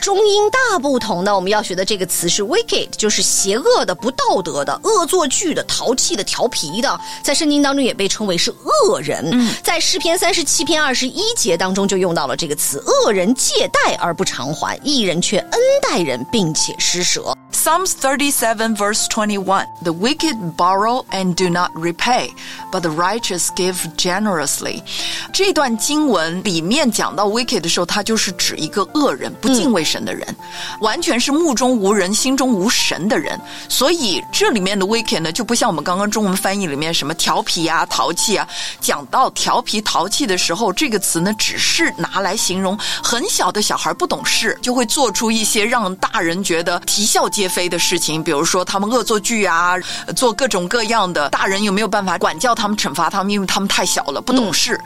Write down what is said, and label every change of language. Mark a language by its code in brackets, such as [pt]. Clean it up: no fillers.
[zh] 中英大不同呢，我们要学的这个词是 wicked， 就是邪恶的、不道德的、恶作剧的、淘气的、调皮的，在圣经当中也被称为是恶人。在诗篇37篇21节当中就用到了这个词，恶人借贷而不偿还，义人却恩待人并且施舍。 [en] Psalms 37 verse 21, the wicked borrow and do not repay, but the righteous give generously. [zh] 这段经文里面讲到 wicked 的时候，它就是指一个恶人，不敬畏神的人，完全是目中无人、心中无神的人。所以这里面的 wicked 呢，就不像我们刚刚中文翻译里面什么调皮啊、淘气啊，讲到调皮淘气的时候，这个词呢只是拿来形容很小的小孩不懂事，就会做出一些让大人觉得啼笑皆非的事情，比如说他们恶作剧啊，做各种各样的，大人有没有办法管教他们、惩罚他们，因为他们太小了不懂事。